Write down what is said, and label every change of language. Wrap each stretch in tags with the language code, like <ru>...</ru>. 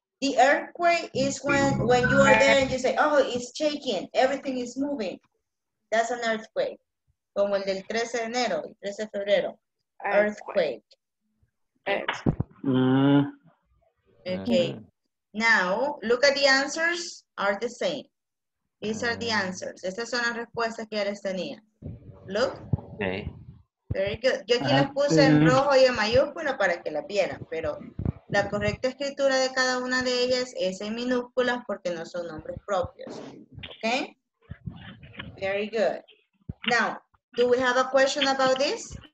<en>The earthquake is when you are there and you say, oh, it's shaking, everything is moving. That's an earthquake.</en> <es>Como el del 13 de enero, el 13 de febrero.</es> <en>Earthquake. Okay. Now, look at the answers. Are the same. These are the answers.</en> <es>Estas son las respuestas que ya les tenía.</es> <en>Look. Okay. Very good.</en> <es>Yo aquí las puse en rojo y en mayúscula para que las vieran. Pero la correcta escritura de cada una de ellas es en minúsculas porque no son nombres propios.</es> <en>Okay. Very good. Now, do we have a question about this?</en>